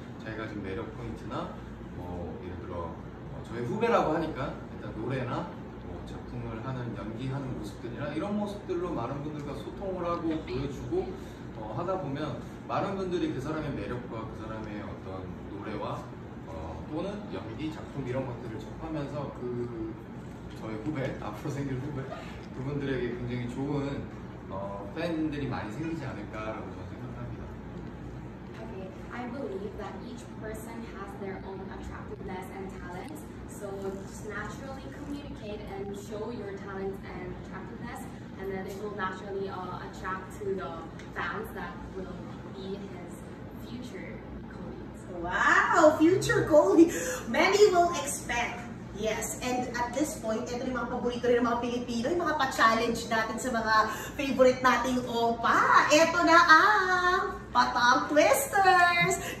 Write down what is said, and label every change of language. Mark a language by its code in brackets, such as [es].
[ko] 자기가 지금 매력 포인트나 뭐 예를 들어 저의 후배라고 하니까 일단 노래나 뭐 작품을 하는 연기하는 모습들이나 이런 모습들로 많은 분들과 소통을 하고 보여주고 하다 보면 많은 분들이 그 사람의 매력과 그 사람의 어떤 노래와 또는 연기 작품 이런 것들을 접하면서 그 저의 후배 앞으로 생길 후배 그분들에게 굉장히 좋은 팬들이 많이 생기지 않을까라고 저는 생각합니다. [en] Okay, I believe that each person has their own attractiveness and talents. So just naturally communicate and show your talents and attractiveness, and then it will naturally attract to the fans that will be his future colleagues. Wow, future colleagues! Many will expect. Yes, and at this point, [tl] ito yung mga paborito rin ng mga Pilipino, yung mga pa-challenge natin sa mga favorite nating opa. Ito na ang Patong Twisters!